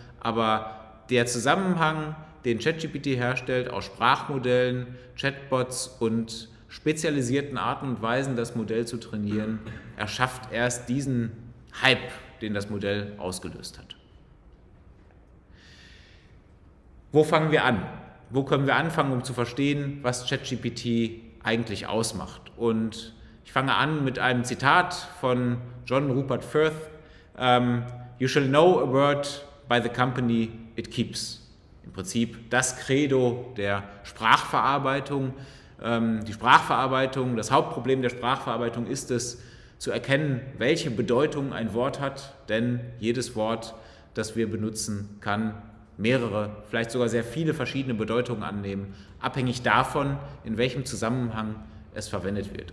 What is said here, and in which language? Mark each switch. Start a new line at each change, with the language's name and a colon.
German: Aber der Zusammenhang, den ChatGPT herstellt aus Sprachmodellen, Chatbots und spezialisierten Arten und Weisen, das Modell zu trainieren, erschafft erst diesen Hype, den das Modell ausgelöst hat. Wo fangen wir an? Wo können wir anfangen, um zu verstehen, was ChatGPT eigentlich ausmacht? Und ich fange an mit einem Zitat von John Rupert Firth.
English: You shall know a word by the company it keeps.
German: Im Prinzip das Credo der Sprachverarbeitung. Die Sprachverarbeitung, das Hauptproblem der Sprachverarbeitung ist es, zu erkennen, welche Bedeutung ein Wort hat, denn jedes Wort, das wir benutzen, kann mehrere, vielleicht sogar sehr viele verschiedene Bedeutungen annehmen, abhängig davon, in welchem Zusammenhang es verwendet wird.